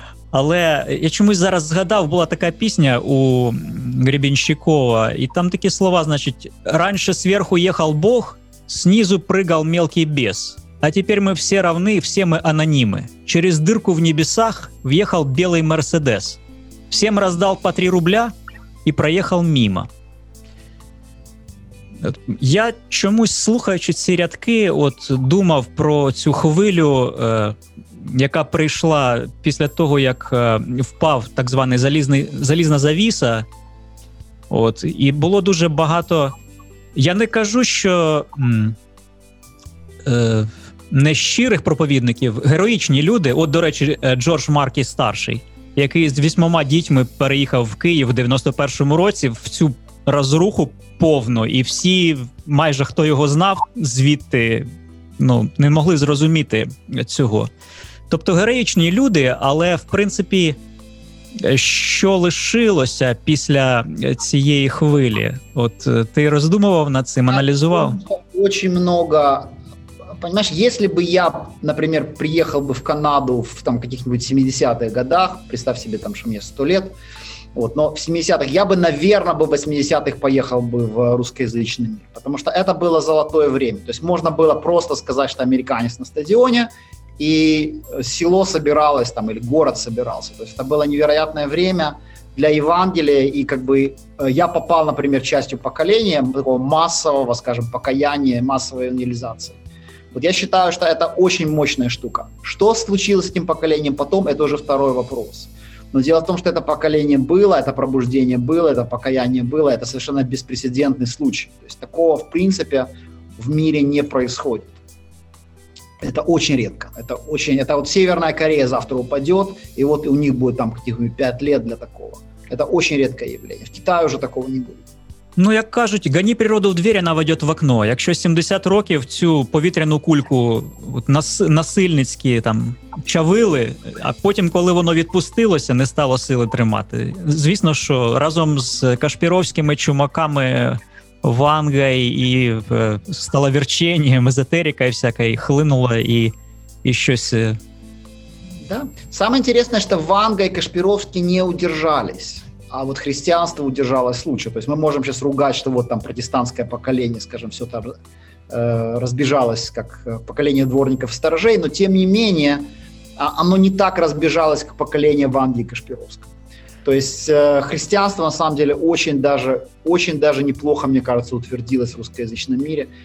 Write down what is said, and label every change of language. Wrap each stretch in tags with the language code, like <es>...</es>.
<uk>Але я чомусь зараз згадав, була така пісня у Гребенщикова, і там такі слова, значить,</uk> <ru>«Раньше сверху ехал Бог, снизу прыгал мелкий бес, а теперь мы все равны, все мы анонимы. Через дырку в небесах въехал белый Мерседес, всем раздал по 3 рубля и проехал мимо».</ru> <uk>Я чомусь, слухаючи ці рядки, от думав про цю хвилю, яка прийшла після того, як впав так званий залізна завіса. От, і було дуже багато... Я не кажу, що нещирих проповідників, героїчні люди. От, до речі, Джордж Маркі старший, який з 8 дітьми переїхав в Київ в 91-му році в цю розруху повну. І всі, майже хто його знав звідти, ну, не могли зрозуміти цього. Тобто героїчні люди, але, в принципі, що лишилося після цієї хвилі? От ти роздумував над цим, аналізував? Дуже багато.</uk> <ru>Понимаєш, якщо б я, наприклад, приїхав би в Канаду в там, каких-нибудь 70-х годах, представь собі, там, що мені 100 лет, вот, но в 70-х, я би, наверно, в 80-х поїхав би в русскоязычный мир, потому что это было золотое время. То есть можно было просто сказать, что американец на стадионе, и село собиралось там, или город собирался. То есть это было невероятное время для Евангелия, и как бы я попал, например, частью поколения, такого массового, скажем, покаяния, массовой евангелизации. Вот я считаю, что это очень мощная штука. Что случилось с этим поколением потом, это уже второй вопрос. Но дело в том, что это поколение было, это пробуждение было, это покаяние было, это совершенно беспрецедентный случай. То есть такого, в принципе, в мире не происходит. Это очень редко. Это вот Северная Корея завтра упадет, и вот у них будет там каких-нибудь 5 лет для такого. Это очень редкое явление. В Китае уже такого не будет.</ru> <uk>Ну, як кажуть, гані природу в двері, вона</uk> <ru>войдет в окно.</ru> <uk>Якщо 70 років цю повітряну кульку насильницьки там чавили, а потім, коли воно відпустилося, не стало сили тримати. Звісно, що разом з кашпіровськими чумаками Ванга і сталовірченням, езотерика і всяка, і хлинула, і щось. Да. Саме інтересне, що Ванга і Кашпіровські</uk> <ru>не удержались. А вот христианство удержалось лучше. То есть мы можем сейчас ругать, что вот там протестантское поколение, скажем, все там разбежалось, как поколение дворников-сторожей, но тем не менее оно не так разбежалось, как поколение Ванги и Кашпировского. То есть христианство на самом деле очень даже неплохо, мне кажется, утвердилось в русскоязычном мире.</ru>